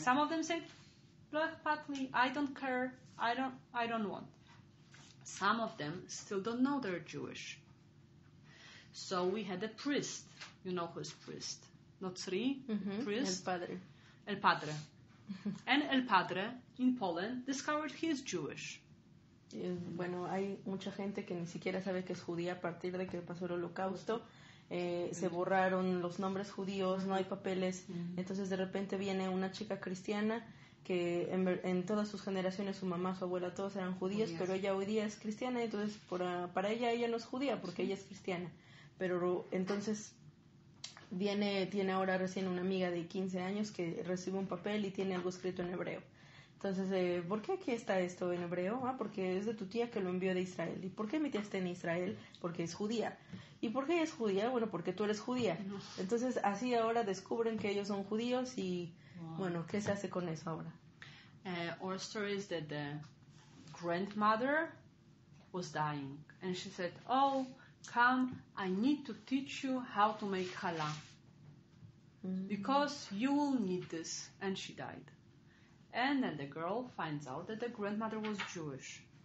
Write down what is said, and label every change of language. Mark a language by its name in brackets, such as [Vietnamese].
[English] Some of them said, [Hebrew] lo echpat li, [English] I don't care. I don't want. Some of them still don't know they're Jewish. So we had a priest. You know who is priest? Notri, priest. [Spanish] El Padre. El Padre. [English] And El Padre, in Poland, discovered he is Jewish. [Spanish] Bueno, hay mucha gente que ni siquiera sabe que es judía a partir de que pasó el holocausto. Se borraron los nombres judíos, no hay papeles. Entonces, de repente viene una chica cristiana que en todas sus generaciones, su mamá, su abuela, todos eran judíos, pero ella hoy día es cristiana. Entonces, para ella no es judía porque ella es cristiana. Pero entonces tiene ahora recién una amiga de 15 años que recibe un papel y tiene algo escrito en hebreo. Entonces, ¿por qué aquí está esto en hebreo? Ah, porque es de tu tía que lo envió de Israel. ¿Y por qué mi tía está en Israel? Porque es judía. ¿Y por qué ella es judía? Bueno, porque tú eres judía. Entonces, así ahora descubren que ellos son judíos y, bueno, ¿qué se hace con eso ahora? [English] Our story is that the grandmother was dying and she said, oh, come, I need to teach you how to make challah. Because you will need this. And she died. And then the girl finds out that the grandmother was Jewish.